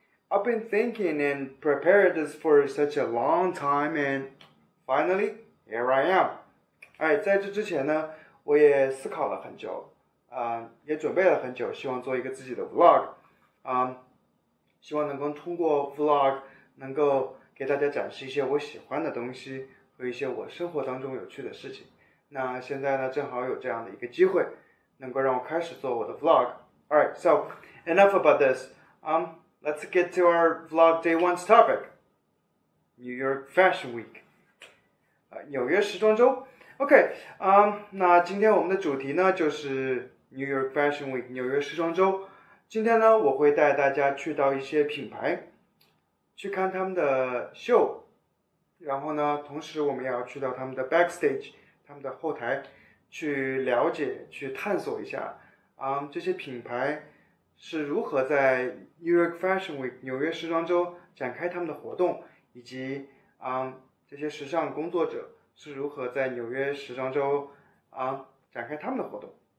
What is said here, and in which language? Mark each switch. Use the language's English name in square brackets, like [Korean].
[English] I've been thinking and prepared this for such a long time, and finally, here I am. [Chinese] 哎，在这之前呢，我也思考了很久，也准备了很久，希望做一个自己的 vlog， 希望能够通过 vlog 能够给大家展示一些我喜欢的东西和一些我生活当中有趣的事情。那现在呢，正好有这样的一个机会，能够让我开始做我的 vlog。 [English] Alright, so enough about this. Let's get to our vlog day one's topic. New York Fashion Week. 纽约时装周。 [Chinese] Okay, 那今天我们的主题呢，就是 New York Fashion Week, 纽约时装周。今天呢，我会带大家去到一些品牌，去看他们的秀，然后呢，同时我们也要去到他们的 backstage, 他们的后台，去了解，去探索一下，这些品牌是如何在 New York Fashion Week, 纽约时装周展开他们的活动，以及这些时尚工作者是如何在纽约时装周展开他们的活动。